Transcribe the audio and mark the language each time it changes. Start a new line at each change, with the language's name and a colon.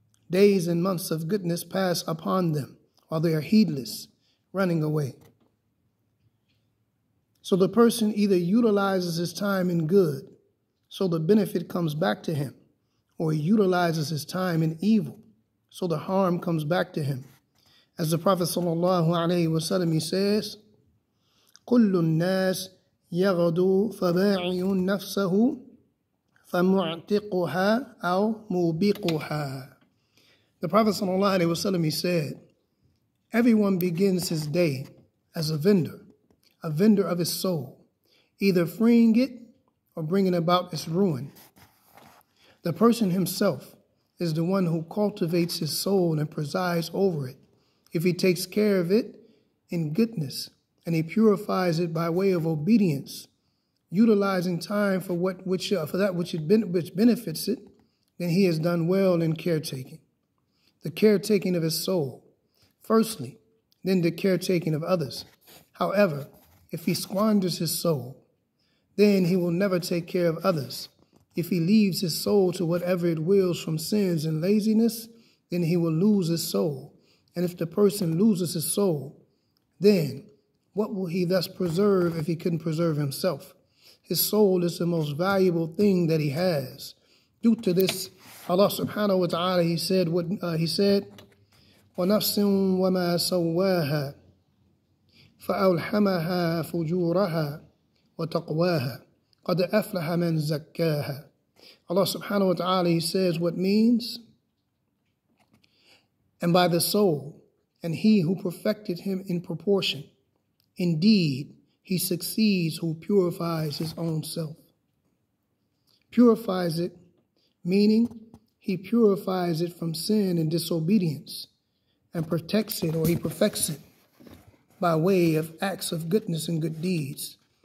English: Days and months of goodness pass upon them while they are heedless, running away. So the person either utilizes his time in good, so the benefit comes back to him, or he utilizes his time in evil, so the harm comes back to him. As the Prophet sallallahu alaihi wasallam says,
Arabic: كُلُّ النَّاسِ يَغَدُوا فَبَاعِيُونَ نَفْسَهُ فَمُعْتِقُهَا أَوْ مُوبِقُهَا.
English: The Prophet sallallahu alaihi wasallam said, everyone begins his day as a vendor of his soul, either freeing it or bringing about its ruin. The person himself is the one who cultivates his soul and presides over it. If he takes care of it in goodness and he purifies it by way of obedience, utilizing time for what which benefits it, then he has done well in caretaking. The caretaking of his soul, firstly, then the caretaking of others. However, if he squanders his soul, then he will never take care of others. If he leaves his soul to whatever it wills from sins and laziness, then he will lose his soul. And if the person loses his soul, then what will he thus preserve if he couldn't preserve himself? His soul is the most valuable thing that he has. Due to this, Allah subhanahu wa ta'ala, he said,
Arabic: وَنَفْسٍ وَمَا سَوَّاهَا فَأَلْحَمَهَا فُجُورَهَا وَتَقْوَاهَا قَدْ أَفْلَحَ مَنْ زَكَّاهَا.
English: Allah subhanahu wa ta'ala, he says, what means? And by the soul, and he who perfected him in proportion, indeed, he succeeds who purifies his own self. Purifies it, meaning he purifies it from sin and disobedience, and protects it, or he perfects it, by way of acts of goodness and good deeds.